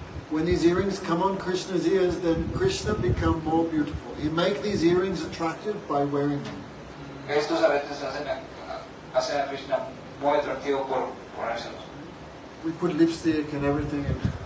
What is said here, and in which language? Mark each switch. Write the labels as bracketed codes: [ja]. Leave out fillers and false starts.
[en] When these earrings come on Krishna's ears, then Krishna become more beautiful. He make these earrings attractive by wearing them. [es] Estos aretes hacen a Krishna muy atractivo por ponérselos. [en] We put lipstick and everything in.